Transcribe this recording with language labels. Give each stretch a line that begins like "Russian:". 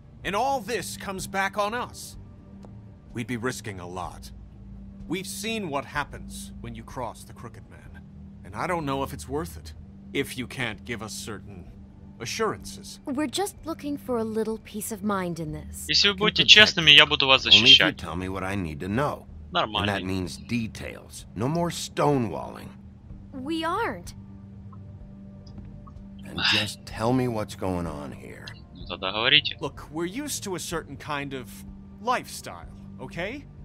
English: And all this comes back on us? We'd be risking a lot. We've seen what happens when you cross the crooked man. And I don't know if it's worth it. If you can't give us certain assurances. We're just looking for a little peace of mind in this.
Russian: Если вы будете честными, я буду вас защищать.
English: Only if you tell me what I need to know.
Russian: Нормально.
English: And that means details. No more stonewalling. We aren't. and just tell me what's going on here. Look, we're used to a certain kind of lifestyle, okay?